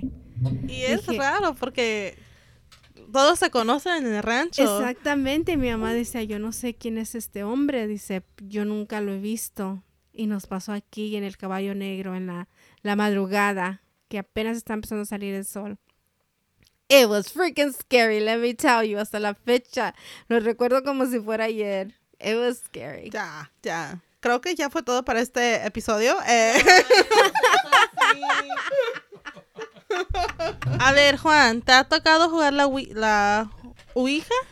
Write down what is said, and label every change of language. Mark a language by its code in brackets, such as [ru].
[es] Y dije, es raro porque todos se conocen en el rancho. Exactamente. Mi mamá decía, yo no sé quién es este hombre. Dice, yo nunca lo he visto. Y nos pasó aquí en el caballo negro en la madrugada, que apenas está empezando a salir el sol. [en] It was freaking scary, let me tell you. [es] Hasta la fecha, lo recuerdo como si fuera ayer. [en] It was scary. [es] Ya, ya. Creo que ya fue todo para este episodio. A ver, Juan, ¿te ha tocado jugar la Ouija?